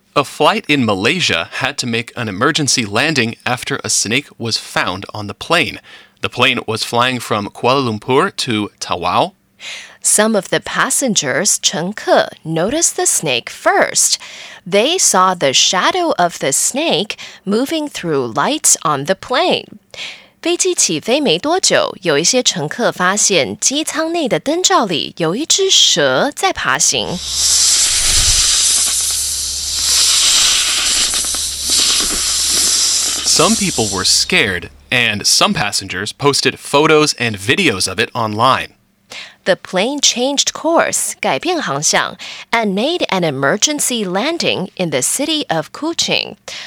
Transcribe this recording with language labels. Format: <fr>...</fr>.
<en>A flight in Malaysia had to make an emergency landing after a snake was found on the plane. The plane was flying from Kuala Lumpur to Tawau. Some of the passengers, 乘客, noticed the snake first. They saw the shadow of the snake moving through lights on the plane.</en> <zh>飞机起飞没多久，有一些乘客发现机舱内的灯罩里有一只蛇在爬行。</zh> <en>Some people were scared, and some passengers posted photos and videos of it online. The plane changed course,</en> <zh>改变航向,</zh> <en>and made an emergency landing in the city of Kuching.</en>